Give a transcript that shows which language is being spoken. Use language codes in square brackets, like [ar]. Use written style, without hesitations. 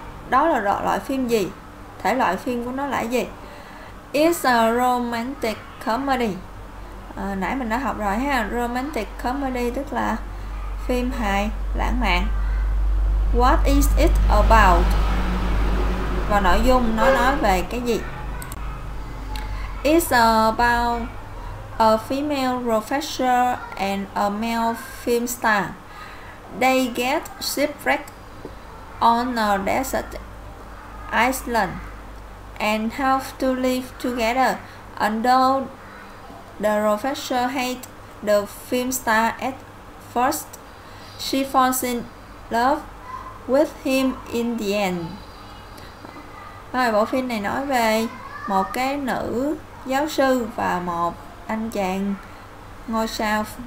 [vi] Đó là loại phim gì? Thể loại phim của nó là gì? [en] It's a romantic comedy. [vi] Nãy mình đã học rồi ha, romantic comedy tức là phim hài lãng mạn. [en] What is it about? [vi] Và nội dung nó nói về cái gì? [en] It's about a female professor and a male film star. They get shipwrecked on a desert island and have to live together. Although the professor hates the film star at first, she falls in love with him in the end. [vi] Rồi, bộ phim này nói về một cái nữ giáo sư và một anh chàng ngôi sao.